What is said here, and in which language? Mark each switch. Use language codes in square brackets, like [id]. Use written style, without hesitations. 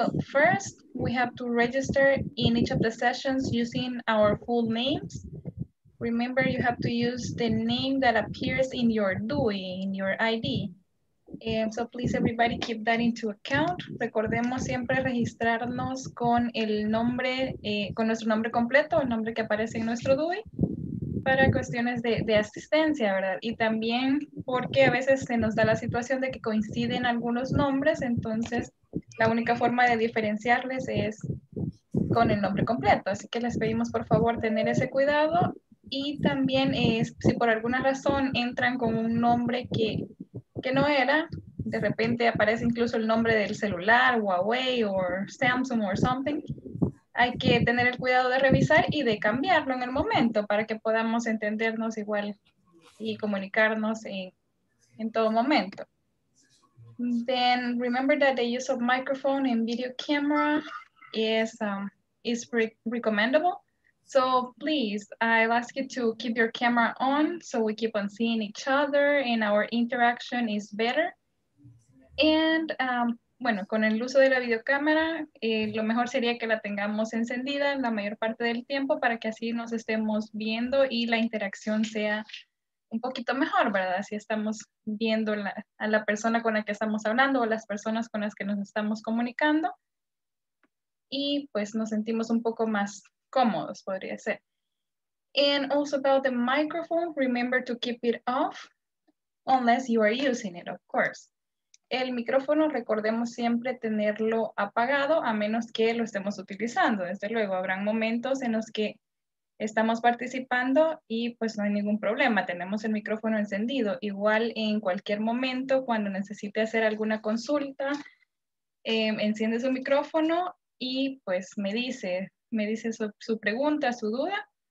[en] First, we have to register in each of the sessions using our full names. Remember, you have to use the name that appears in your DUI, in your ID. So please, everybody, keep that into account. [es] Recordemos siempre registrarnos con el nombre, con nuestro nombre completo, el nombre que aparece en nuestro DUI. para cuestiones de asistencia, ¿verdad? Y también porque a veces se nos da la situación de que coinciden algunos nombres, entonces la única forma de diferenciarles es con el nombre completo. Así que les pedimos por favor tener ese cuidado. Y también es, si por alguna razón entran con un nombre que no era, de repente aparece incluso el nombre del celular, Huawei o Samsung o something, hay que tener el cuidado de revisar y de cambiarlo en el momento para que podamos entendernos igual y comunicarnos en todo momento. [en] Then remember that the use of microphone and video camera is recommendable. So please, I'll ask you to keep your camera on so we keep on seeing each other and our interaction is better. [es] And bueno, con el uso de la videocámara, lo mejor sería que la tengamos encendida la mayor parte del tiempo para que así nos estemos viendo y la interacción sea un poquito mejor, ¿verdad? Si estamos viendo a la persona con la que estamos hablando o las personas con las que nos estamos comunicando y pues nos sentimos un poco más cómodos, podría ser. [en] And also about the microphone, remember to keep it off unless you are using it, of course. [es] El micrófono, recordemos siempre tenerlo apagado a menos que lo estemos utilizando. Desde luego, habrán momentos en los que estamos participando y pues no hay ningún problema. Tenemos el micrófono encendido. Igual en cualquier momento, cuando necesite hacer alguna consulta, enciende su micrófono y pues me dice su pregunta, su duda.